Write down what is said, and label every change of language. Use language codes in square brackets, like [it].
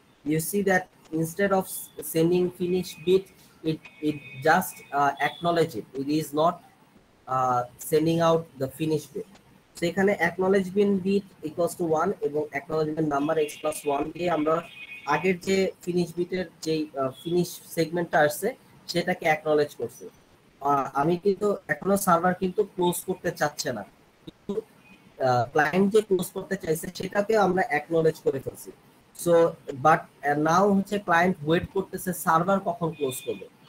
[en] You see that instead of sending finish bit, it just acknowledge it. It is not sending out the finish bit. So [bn] এখানে [en] acknowledgement bit equals to 1 [bn] এবং [en] acknowledgement number x plus 1 [bn] দিয়ে আমরা আগের যে [en] finish bitের যে finish segmentটা [bn] আসছে সেটাকে [en] acknowledge [bn] করছি। আমি কিন্তু এখনো সার্ভার কিন্তু close করতে চাচ্ছে না। Client যে close করতে চাইছে সেটাকে আমরা acknowledge করে ফেলছি। [en] So but now [bn] হচ্ছে [en] client wait [bn] করতেছে [en] server [bn] কখন [en] close [bn] করবে।